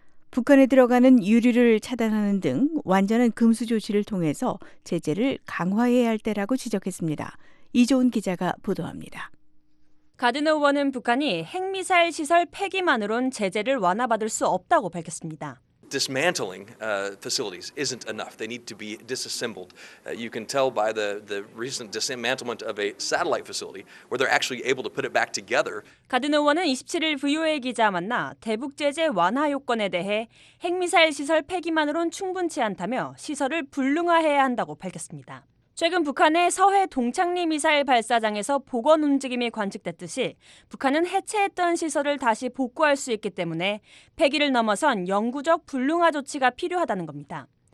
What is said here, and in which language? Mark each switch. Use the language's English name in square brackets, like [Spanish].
[Korean] 북한에 들어가는 유류를 차단하는 등 완전한 금수 조치를 통해서 제재를 강화해야 할 때라고 지적했습니다. 이조은 기자가 보도합니다. 가드너 의원은 북한이 핵미사일 시설 폐기만으론 제재를 완화받을 수 없다고 밝혔습니다. [English] Dismantling facilities isn't enough. They need to be disassembled. You can tell by the recent dismantlement of a satellite facility where they're actually able to put it back together. [Korean] 가드너 의원은 27일 VOA 기자와 만나 대북 제재 완화 요건에 대해 핵미사일 시설 폐기만으론 충분치 않다며 시설을 불능화해야 한다고 밝혔습니다. 최근 북한의 서해 동창리 미사일 발사장에서 복원 움직임이 관측됐듯이 북한은 해체했던 시설을 다시 복구할 수 있기 때문에 폐기를 넘어선 영구적 불능화 조치가 필요하다는 겁니다.